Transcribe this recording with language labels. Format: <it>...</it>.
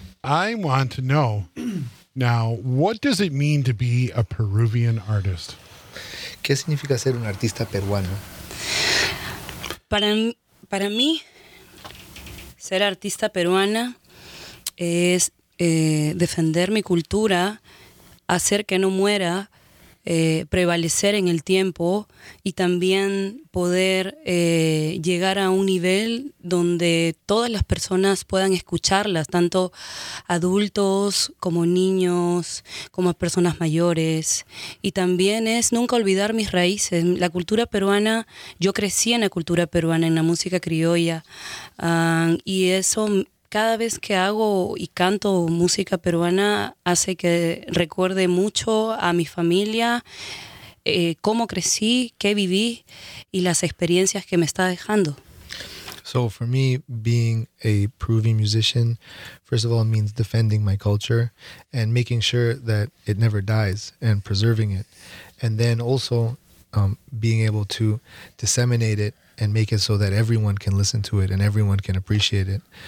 <en>I want to know now, what does it mean to be a Peruvian artist?</en> <es>¿Qué significa ser un artista peruano? Para mí, ser artista peruana es defender mi cultura, hacer que no muera, prevalecer en el tiempo y también poder llegar a un nivel donde todas las personas puedan escucharlas, tanto adultos como niños, como personas mayores. Y también es nunca olvidar mis raíces. La cultura peruana, yo crecí en la cultura peruana, en la música criolla, y eso... Cada vez que hago y canto música peruana hace que recuerde mucho a mi familia, cómo crecí, qué viví y las experiencias que me está dejando.</es> <en>So for me, being a Peruvian musician, first of all, means defending my culture and making sure that it never dies and preserving it. And then also being able to disseminate it and make it so that everyone can listen to it and everyone can appreciate it.</en>